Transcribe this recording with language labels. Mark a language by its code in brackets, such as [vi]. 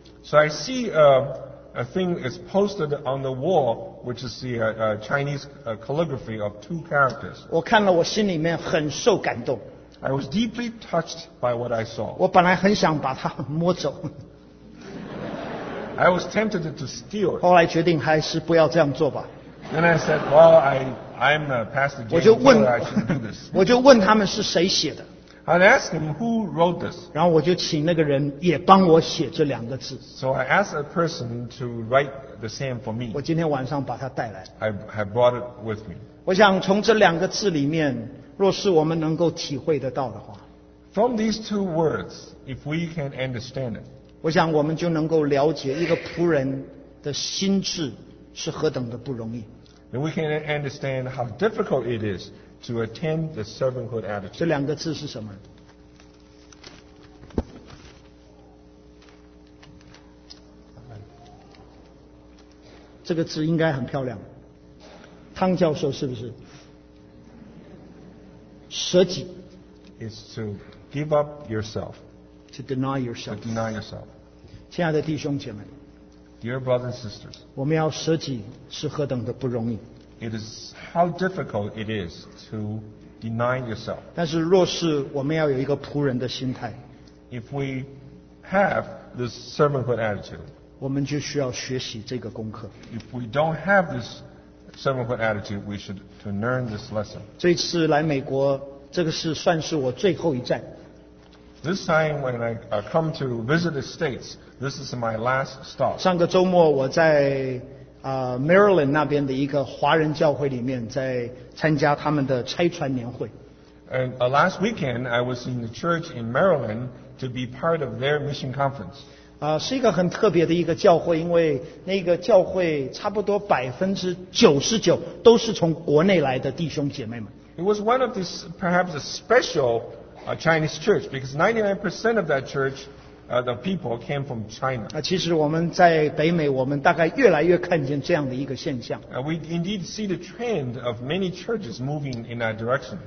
[en] So I see a thing is posted on the wall, which is the Chinese calligraphy of two characters. [zh] 我看了，我心里面很受感动。 [en] I was deeply touched by what I saw. [zh] 我本来很想把它摸走。 [en] I was tempted to steal it. [zh] 后来决定还是不要这样做吧。 [en] Then I said, "Well, I'm a pastor. [zh] 我就问， [en] I should do this." [zh] 我就问他们是谁写的。 [en] I'd ask him who wrote this. [zh] 然后我就请那个人也帮我写这两个字。 [en] So I asked a person to write the same for me. [zh] 我今天晚上把它带来。 [en] I have brought it with me. [zh] 我想从这两个字里面，若是我们能够体会得到的话。 [en] From these two words, if we can understand it. [zh] 我想我们就能够了解一个仆人的心智是何等的不容易。 [en] Then we can understand how difficult it is. To attend the servanthood attitude. [zh] 这两个字是什么？这个字应该很漂亮。汤教授是不是？舍己。 [en] Is to give up yourself. To deny yourself. To deny yourself. [zh] 亲爱的弟兄姐妹。 [en] Dear brothers and sisters. [zh] 我们要舍己是何等的不容易。 [en] It is how difficult it is to deny yourself. [zh] 但是若是我们要有一个仆人的心态， [en] if we have this servanthood attitude, [zh] 我们就需要学习这个功课。 [en] If we don't have this servanthood attitude, we should to learn this lesson. [zh] 这次来美国，这个是算是我最后一站。 [en] This time when I come to visit the States, this is my last stop. [zh] 上个周末我在Maryland 那边的一个华人教会里面，在参加他们的拆船年会。 [en] Last weekend I was in the church in Maryland to be part of their mission conference. [zh] 是一个很特别的一个教会，因为那个教会差不多99%都是从国内来的弟兄姐妹们。 [en] It was one of these perhaps a special Chinese church because 99% of that church. The people came from China. [zh] 其实我们在北美，我们大概越来越看见这样的一个现象。 [en] We indeed see the trend of many churches moving in that direction.